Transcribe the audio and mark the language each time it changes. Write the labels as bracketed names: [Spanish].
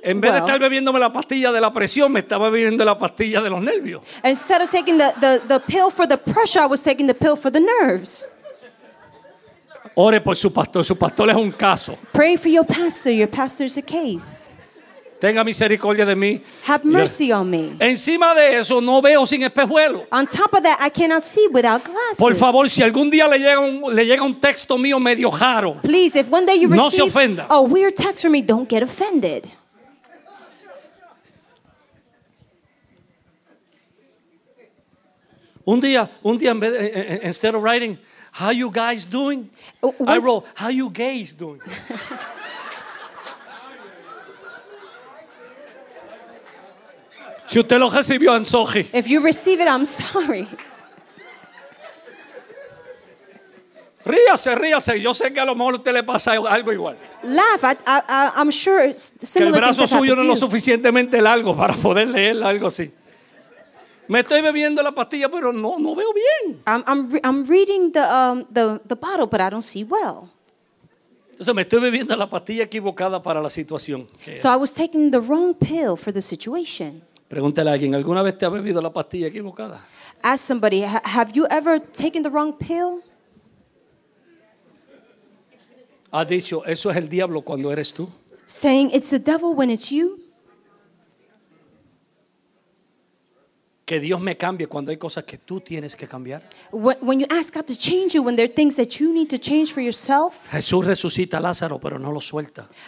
[Spanish] en vez de estar bebiéndome la pastilla de la presión, me estaba bebiendo la pastilla de los nervios. [English] Instead of taking the pill for the pressure, I was taking the pill for the nerves. [Spanish] Ore por su pastor. Su pastor es un caso. [English] Pray for your pastor. Your pastor is a case. [Spanish] Tenga misericordia de mí. [English] Have mercy on me. [Spanish] Encima de eso, no veo sin espejuelo. [English] On top of that, I cannot see without glasses. [Spanish] Por favor, si algún día le llega un texto mío medio raro, [English] please, if one day you [Spanish] no se ofenda. [English] A weird text from me, don't get offended. [Spanish] Un día, [English] instead of writing, how you guys doing? I wrote, how you gays doing? [Spanish] Si usted lo recibió, [English] I'm sorry. If you receive it, I'm sorry. [Spanish] Ríase. Yo sé que a lo mejor usted le pasa algo igual. [English] Laugh. I'm sure similar things. [Spanish] El brazo suyo no es lo suficientemente largo para poder leer algo así. Me estoy bebiendo la pastilla, pero no veo bien. [English] I'm reading the bottle, but I don't see well. [Spanish] Entonces me estoy bebiendo la pastilla equivocada para la situación. [English] So I was taking the wrong pill for the situation. [Spanish] Pregúntale a alguien, ¿alguna vez te has bebido la pastilla equivocada? [English] Ask somebody, have you ever taken the wrong pill? [Spanish] Ha dicho, eso es el diablo cuando eres tú. [English] Saying, it's the devil when it's you. [Spanish] Que Dios me cambie cuando hay cosas que tú tienes que cambiar. [English] When you ask God to change you, when there are things that you need to change for yourself. [Spanish] Jesús resucita a Lázaro, pero no lo suelta.